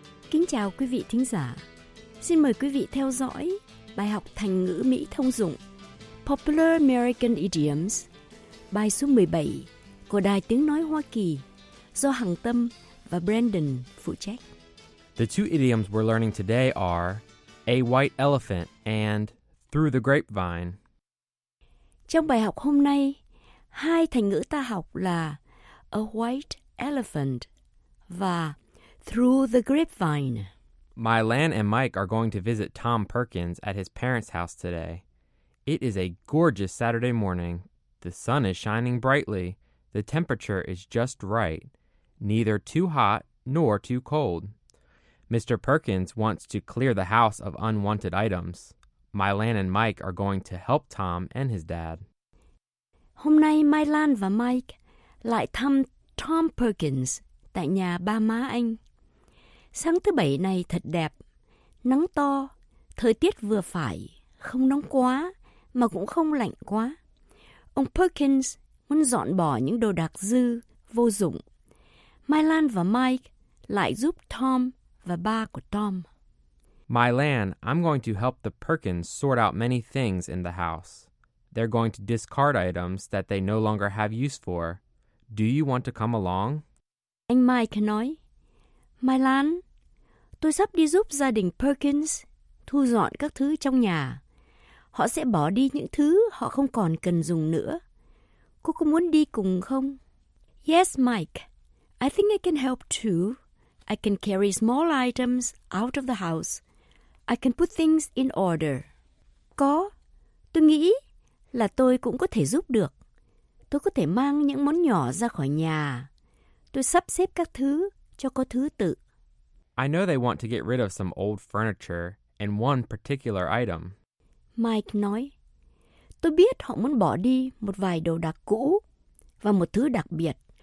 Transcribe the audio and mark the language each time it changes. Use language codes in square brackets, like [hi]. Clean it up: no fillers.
[vi] Kính chào quý vị thính giả. Xin mời quý vị theo dõi bài học thành ngữ Mỹ thông dụng Popular American Idioms, bài số 17 của Đài Tiếng Nói Hoa Kỳ do Hằng Tâm và Brandon phụ trách. [en] The two idioms we're learning today are a white elephant and through the grapevine. [vi] Trong bài học hôm nay, hai thành ngữ ta học là a white elephant và through the grapevine. [en] My Lan and Mike are going to visit Tom Perkins at his parents' house today. It is a gorgeous Saturday morning. The sun is shining brightly. The temperature is just right, neither too hot nor too cold. Mr. Perkins wants to clear the house of unwanted items. My Lan and Mike are going to help Tom and his dad. [vi] Hôm nay My Lan và Mike lại thăm Tom Perkins tại nhà ba má anh. Sáng thứ bảy này thật đẹp, nắng to, thời tiết vừa phải, không nóng quá mà cũng không lạnh quá. Ông Perkins muốn dọn bỏ những đồ đạc dư, vô dụng. My Lan và Mike lại giúp Tom và ba của Tom. [en] My Lan, I'm going to help the Perkins sort out many things in the house. They're going to discard items that they no longer have use for. Do you want to come along? [vi] Anh Mike nói, My Lan, tôi sắp đi giúp gia đình Perkins thu dọn các thứ trong nhà. Họ sẽ bỏ đi những thứ họ không còn cần dùng nữa. Cô có muốn đi cùng không? [en] Yes, Mike. I think I can help too. I can carry small items out of the house. I can put things in order. [vi] Có. Tôi nghĩ là tôi cũng có thể giúp được. Tôi có thể mang những món nhỏ ra khỏi nhà. Tôi sắp xếp các thứ cho có thứ tự. [en] I know they want to get rid of some old furniture and one particular item. [vi] Mike nói, tôi biết họ muốn bỏ đi một vài đồ đạc cũ và một thứ đặc biệt.